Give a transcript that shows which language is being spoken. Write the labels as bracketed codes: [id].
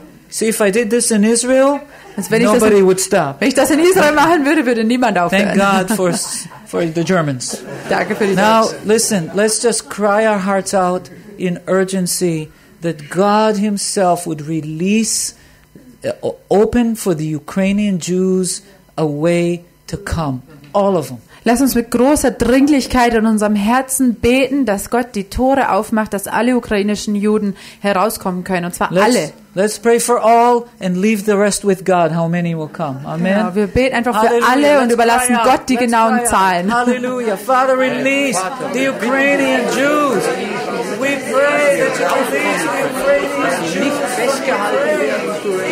[en] See, if I did this in Israel, nobody would stop. [de] Wenn ich das in Israel machen würde, würde niemand aufhören. [en] Thank God for the Germans. [de] Danke für die [en] Now, [de] Deutsch. [en] Listen, let's just cry our hearts out in urgency that God himself would release, open for the Ukrainian Jews a way to come. All of them. [de] Lass uns mit großer Dringlichkeit in unserem Herzen beten, dass Gott die Tore aufmacht, dass alle ukrainischen Juden herauskommen können, und zwar alle. [en] Let's pray for all and leave the rest with God, how many will come. Amen. [de] Genau, wir beten einfach für Hallelujah. Alle und überlassen Gott die genauen Zahlen. Hallelujah. [en] Father, release the Ukrainian Jews. We pray that you release the Ukrainian Jews.